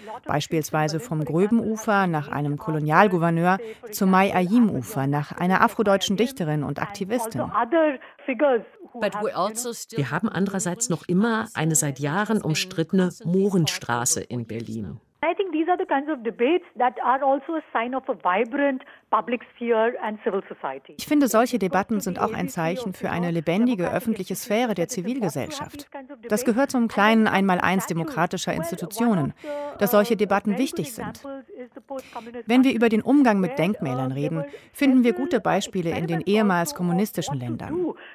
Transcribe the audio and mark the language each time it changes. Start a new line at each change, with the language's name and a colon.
German: Beispielsweise vom Gröbenufer nach einem Kolonialgouverneur zum Mai-Ayim-Ufer nach einer afrodeutschen Dichterin und Aktivistin. Wir haben andererseits noch immer eine seit Jahren umstrittene Mohrenstraße in Berlin.
English: I think these are the kinds of debates that are also a sign of a vibrant public sphere and civil society.
German: Ich finde, solche Debatten sind auch ein Zeichen für eine lebendige öffentliche Sphäre der Zivilgesellschaft. Das gehört zum kleinen Einmaleins demokratischer Institutionen, dass solche Debatten wichtig sind. Wenn wir über den Umgang mit Denkmälern reden, finden wir gute Beispiele in den ehemals kommunistischen Ländern.